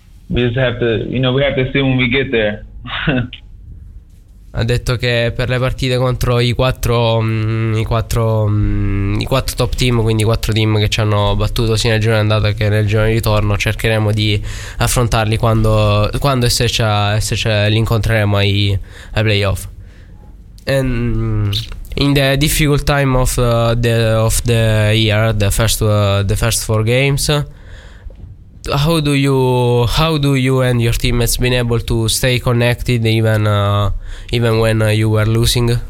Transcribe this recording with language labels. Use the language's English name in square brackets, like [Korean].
[English] We just have to, you know, we have to see when we get there. [Italian] Ha detto che per le partite contro i quattro top team, quindi i quattro team che ci hanno battuto sia nel giro d'andata che nel giro di ritorno, cercheremo di affrontarli quando se li incontreremo ai playoff. [English] In the difficult time of the year, the first four games, How do you and your teammates been able to stay connected even when you were losing?